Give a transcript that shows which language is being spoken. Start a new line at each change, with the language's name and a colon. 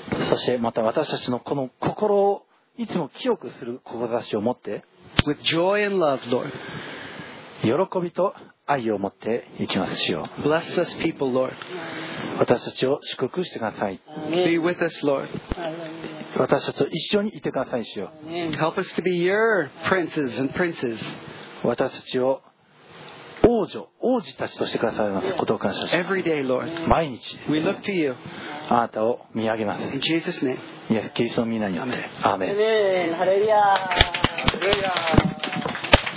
Japanese: そしてまた私たちのこの心をいつも清くする志を持って。
English: With joy and love, Lord.
Japanese: 喜びと愛を持っていきます、主よ。
English: Bless us, people, Lord.
Japanese: 私たちを祝福してください。
English: Be with us, Lord.
Japanese: 私たちと一緒にいてください、主よ。
English: Help us to be your princes and princes.
Japanese: 私たちを王女、王子たちとしてくださいますことを感謝します。
English: Every day, Lord.
Japanese: 毎日。
English: We look to you.
Japanese: あなたを見上げます。
English: In Jesus' name.
Japanese: イエス・キリストの御名によって。アーメン。アーメン。ハレルヤ。ハレルヤ。